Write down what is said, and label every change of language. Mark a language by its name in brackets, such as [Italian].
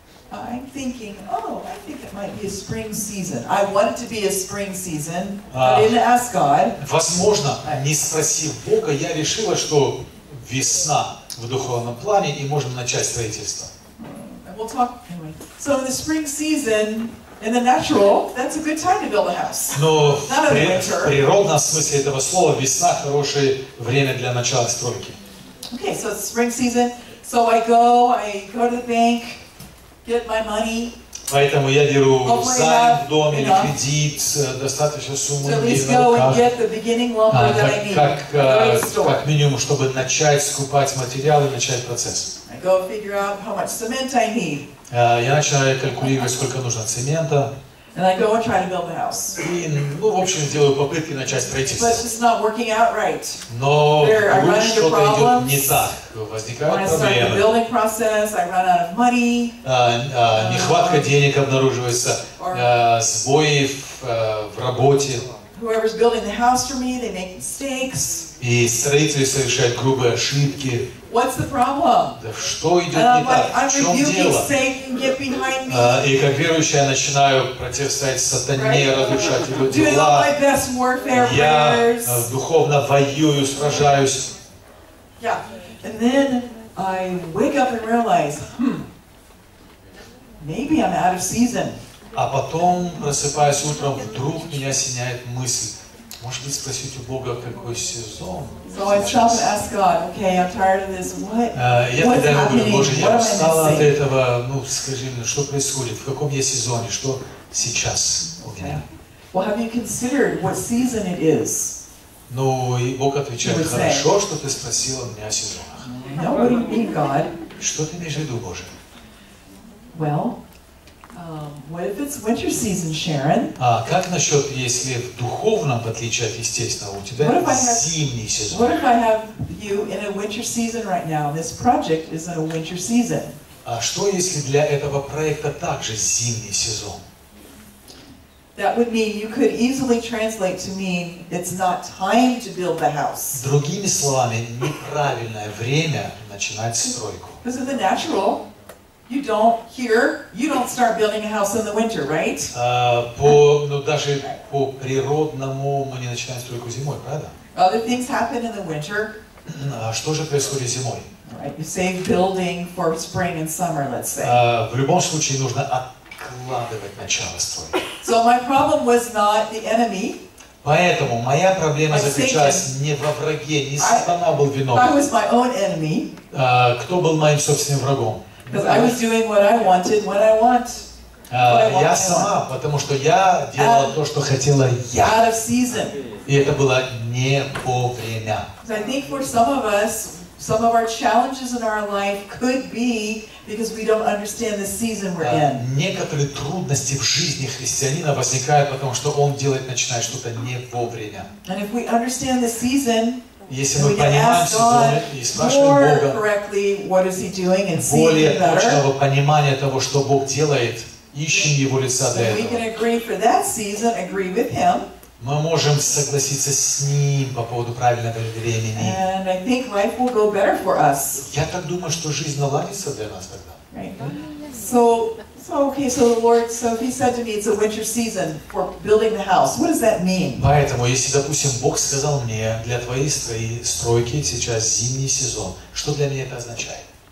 [English] I'm thinking, I think it might be a spring season. I want it to be a spring season. I didn't ask God. [Russian] Возможно, не спросив Бога, я решила, что весна в духовном плане, и можно начать строительство. [English] We'll talk anyway. So in the spring season, in the natural, that's a good time to build a house. [Russian] Но в природном смысле этого слова весна – хорошее время для начала стройки. [English] Okay, so it's spring season. So I go to the bank. Get my money. [Russian] Поэтому я беру займ в доме или кредит, достаточно суммы, деньги на руках. Как минимум, чтобы начать скупать материалы, начать процесс. [English] I go figure out how much cement I need. [Russian] Я начинаю калькулировать, сколько нужно цемента. [English] And I go and try to build the house. [Russian] И, ну, в общем, делаю попытки начать строительство. [English] But it's not working out right. [Russian] Но вдруг что-то идет не так. Возникают проблемы. [English] When I start the building process, I run out of money. [Russian] Нехватка денег обнаруживается. Сбои в работе. [English] Whoever's building the house for me, they make mistakes. [Russian] И строители совершают грубые ошибки. [English] What's the problem? [Russian] Да что идет не так? В чем дело? И как верующий я начинаю противостоять сатане, разрушать его дела. Я духовно воюю, сражаюсь. [English] Yeah. And then I wake up and realize, maybe I'm out of season. [Russian] А потом, просыпаясь утром, вдруг меня осеняет мысль. Может быть, спросить у Бога, какой сезон? [English] So I stop and ask God, okay, I'm tired of this. What? [Russian] Я тогда говорю, Боже, я устал от этого. Ну, скажи мне, что происходит? В каком я сезоне? Что сейчас у меня? [English] Well, have you considered what season it is? [Russian] Ну, и Бог отвечает, хорошо, что ты спросила меня о сезонах. [English] No, what do you mean, God? [Russian] Что ты имеешь в виду, Боже? [English] Well, what if it's winter season, Sharon? [Russian] А как насчет, если в духовном, в отличие от естественного, у тебя зимний сезон? [English] What if I have you in a winter season right now? This project is in a winter season. [Russian] А что, если для этого проекта также зимний сезон? [English] That would mean you could easily translate to mean it's not time to build the house. [Russian] Другими словами, неправильное время начинать стройку. [English] Because of the natural, you don't hear, you don't start building a house in the winter, right? [Russian] Даже по природному мы не начинаем стройку зимой, правда? [English] Other things happen in the winter. [Russian] Что же происходит зимой? [English] Right, you save building for spring and summer, let's say. [Russian] В любом случае нужно откладывать начало стройки. [English] So my problem was not the enemy. [Russian] Поэтому моя проблема заключалась не во враге, не сатана был виновен. [English] I was my own enemy. [Russian] Кто был моим собственным врагом? [English] Because I was doing what I wanted, what I want. [Russian] Я сама, потому что я делала то, что хотела я. [English] Out of season. [Russian] И это было не по время. [English] So I think for some of us, some of our challenges in our life could be because we don't understand the season we're in. [Russian] Некоторые трудности в жизни христианина возникают потому, что он делает, начинает что-то не вовремя. [English] And if we understand the season, [Russian] если мы понимаем сезон и спрашиваем Бога, более точного понимания того, что Бог делает, ищем Его лица для этого. [English] We can agree for that season, agree with Him. [Russian] Мы можем согласиться с Ним по поводу правильного времени. [English] And I think life will go better for us. [Russian] Я так думаю, что жизнь наладится для нас тогда. [English] Right. So He said to me, it's a winter season for building the house. What does that mean? [Russian] Поэтому, если, допустим, Бог сказал мне, для твоей стройки сейчас зимний сезон, что для меня это означает?